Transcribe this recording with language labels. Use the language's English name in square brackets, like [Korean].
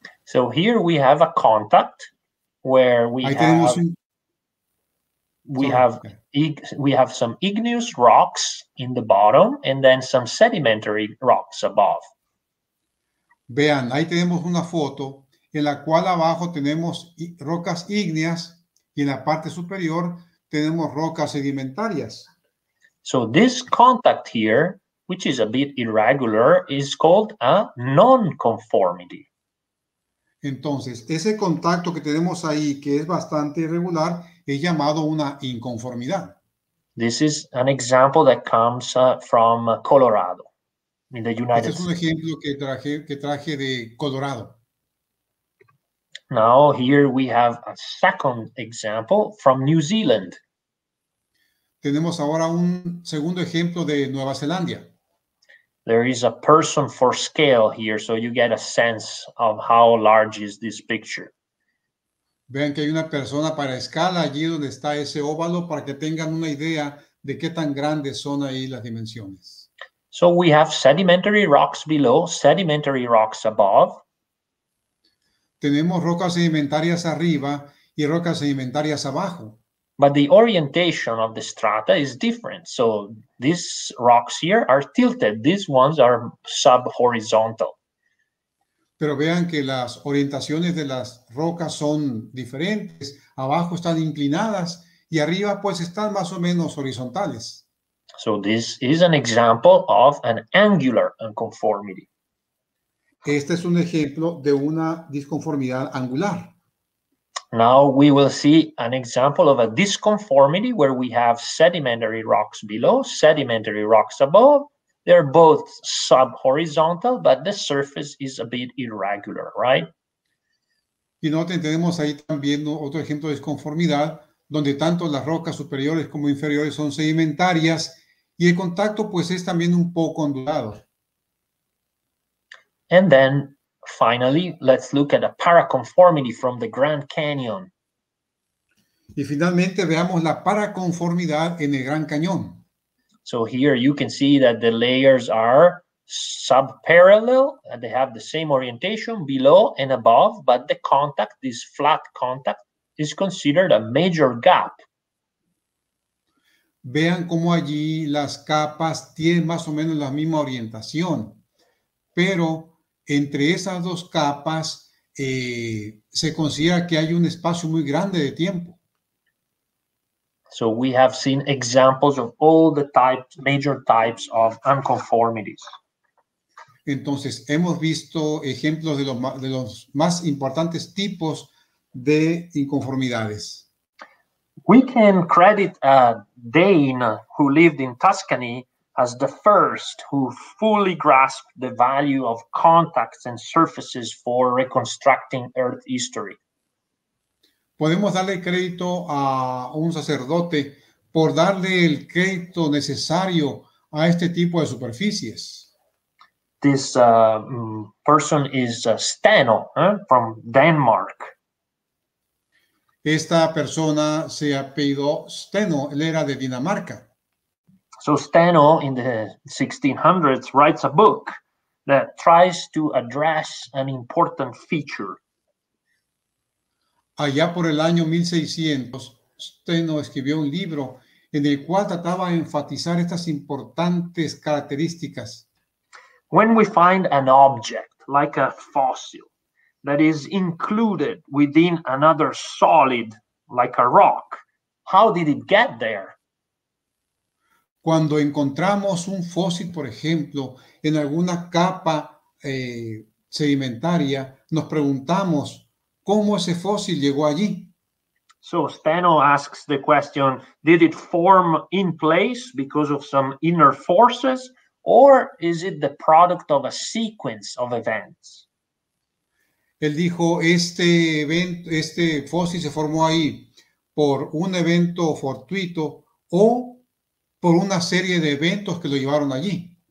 [English] So here we have a contact where we have some igneous rocks in the bottom and then some sedimentary rocks above. [Spanish] Vean, ahí tenemos una foto en la cual abajo tenemos rocas ígneas y en la parte superior tenemos rocas sedimentarias. [English] So this contact here, which is a bit irregular, is called a non-conformity. [Spanish] Entonces, ese contacto que tenemos ahí, que es bastante irregular, es llamado una inconformidad. [English] This is an example that comes from Colorado, in the United States. [Spanish] Este es un ejemplo que traje de Colorado. [English] Now, here we have a second example from New Zealand. [Spanish] Tenemos ahora un segundo ejemplo de Nueva Zelanda. [English] There is a person for scale here, so you get a sense of how large is this picture. [Spanish] Vean que hay una persona para escala allí donde está ese óvalo para que tengan una idea de qué tan grandes son ahí las dimensiones. [English] So we have sedimentary rocks below, sedimentary rocks above. [Spanish] Tenemos rocas sedimentarias arriba y rocas sedimentarias abajo. [English] But the orientation of the strata is different. So these rocks here are tilted. These ones are sub-horizontal. [Spanish] Pero vean que las orientaciones de las rocas son diferentes. Abajo están inclinadas y arriba pues están más o menos horizontales. [English] So this is an example of an angular unconformity. [Spanish] Este es un ejemplo de una disconformidad angular. [English] Now we will see an example of a disconformity where we have sedimentary rocks below, sedimentary rocks above. They're both sub-horizontal, but the surface is a bit irregular, right? [Spanish] Y noten, tenemos ahí también otro ejemplo de disconformidad, donde tanto las rocas superiores como inferiores son sedimentarias, y el contacto pues es también un poco ondulado. [English] And then, finally, let's look at a paraconformity from the Grand Canyon. [Spanish] Y finalmente veamos la paraconformidad en el Gran Cañón. [English] So here you can see that the layers are subparallel and they have the same orientation below and above, but the contact, this flat contact, is considered a major gap. [Spanish] Vean cómo allí las capas tienen más o menos la misma orientación, pero entre esas dos capas se considera que hay un espacio muy grande de tiempo. [English] So we have seen examples of all the types, major types of unconformities. [Spanish] Entonces hemos visto ejemplos de los más importantes tipos de inconformidades. [English] We can credit a Dane who lived in Tuscany as the first who fully grasped the value of contacts and surfaces for reconstructing Earth history. [Spanish] Podemos darle crédito a un sacerdote por darle el crédito necesario a este tipo de superficies. [English] This person is Steno, from Denmark. [Spanish] Esta persona se apellidó Steno, él era de Dinamarca. [English] So Steno in the 1600s writes a book that tries to address an important feature. [Spanish] Allá por el año 1600, Steno escribió un libro en el cual trataba de enfatizar estas importantes características. [English] When we find an object like a fossil that is included within another solid like a rock, how did it get there? [Spanish] Cuando encontramos un fósil, por ejemplo, en alguna capa sedimentaria, nos preguntamos, ¿cómo ese fósil llegó allí? [English] So Steno asks the question, did it form in place because of some inner forces, or is it the product of a sequence of events? [Spanish] Él dijo, este fósil se formó ahí por un evento fortuito o por una serie de eventos que lo llevaron allí.